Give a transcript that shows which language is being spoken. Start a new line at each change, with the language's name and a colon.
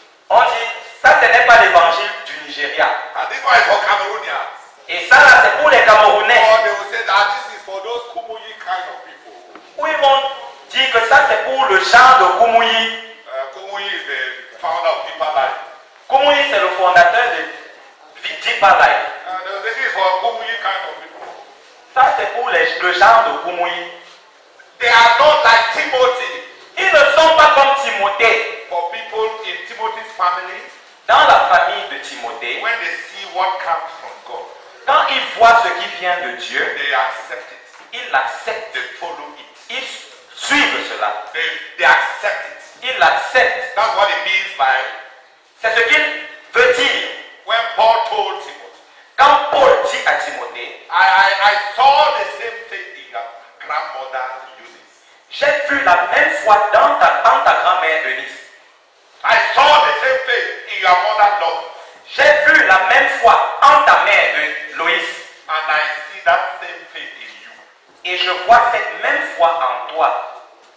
French: On dit, ça ce n'est pas l'évangile du Nigeria.
English: And this one is for Cameroonia.
French: Et ça là c'est pour les Camerounais.
English: Or they will say that this is for those Koumouyi kind of people.
French: Ou ils vont dire que ça c'est pour le genre de Koumouyi.
English: Koumouyi is the founder of Deeper Life.
French: Koumouyi c'est le fondateur de Deeper Life.
English: This is for Koumouyi kind of people.
French: Ça c'est pour le genre de Koumouyi.
English: They are not like Timothy.
French: Ils ne sont pas comme Timothée.
English: For people in Timothy's family.
French: Dans la famille de Timothée.
English: When they see what comes from God.
French: Quand ils voient ce qui vient de Dieu.
English: They accept it.
French: Ils l'acceptent.
English: They follow it.
French: Ils suivent cela.
English: They accept it.
French: Ils l'acceptent.
English: That's what it means by.
French: C'est ce qu'il veut dire.
English: When Paul told Timothy.
French: Quand Paul dit à Timothée.
English: I saw the same thing in your grandmother.
French: J'ai vu la même foi dans ta grand-mère Eunice.
English: I saw the same faith in your mother Lois.
French: J'ai vu la même foi en ta mère Lois.
English: And I see that same faith in you.
French: Et je vois cette même foi en toi.